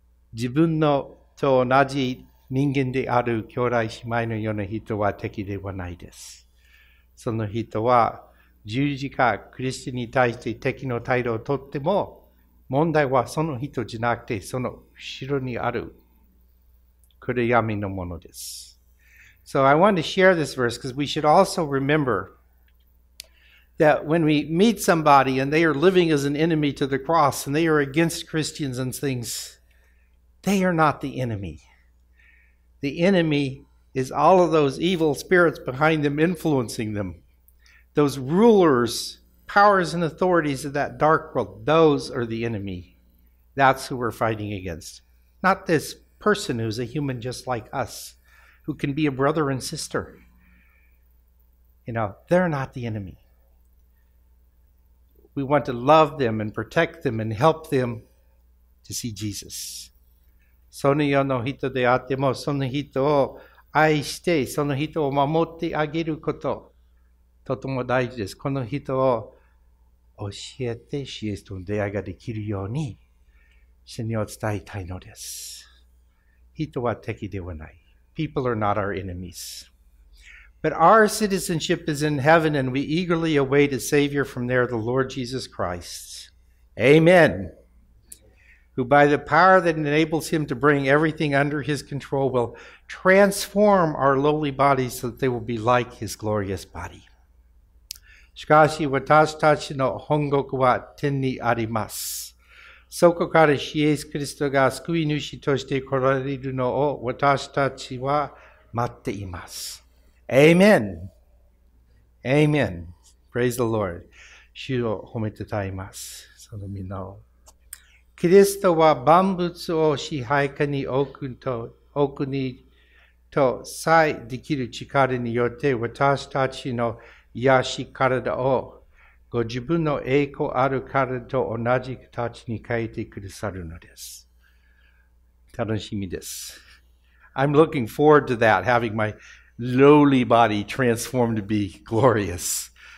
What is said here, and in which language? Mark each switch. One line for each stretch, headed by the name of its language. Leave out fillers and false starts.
Japanese: 自分のと同じ人間である兄弟姉妹のような人は敵ではないです。その人は十字架、クリスチャンに対して敵の態度をとっても、問題はその人じゃなくて、その後ろにある暗闇のものです。
English: So I want to share this verse because we should also rememberthat when we meet somebody and they are living as an enemy to the cross and they are against Christians and things, they are not the enemy. The enemy is all of those evil spirits behind them influencing them. Those rulers, powers and authorities of that dark world, those are the enemy. That's who we're fighting against. Not this person who's a human just like us, who can be a brother and sister. You know, they're not the enemy. We want to love them and protect them and help them to see Jesus.
Japanese: そのような人であっても、その人を愛して、その人を守ってあげること、とても大事です。この人を教えて、主イエスとの出会いができるように、主に伝えたいのです。人は敵ではない。
English: People are not our enemies. But our citizenship is in heaven, and we eagerly await a Savior from there, the Lord Jesus Christ. Amen. Who by the power that enables him to bring everything under his control will transform our lowly bodies so that they will be like his glorious body.
Japanese: しかし、わたしたちの本国は天にあります。そこから主イエス・キリストが救い主として来られるのを私たちは待っています。
English: Amen. Amen. Praise the Lord.
Japanese: 主を褒めてたいます。その皆を。キリストは万物を支配下に置くにとさえできる力によって私たちの卑しい体を御自分の栄光ある体と同じ形に変えてくださるのです。楽しみです。
English: I'm looking forward to that, having my lowly body transformed to be glorious.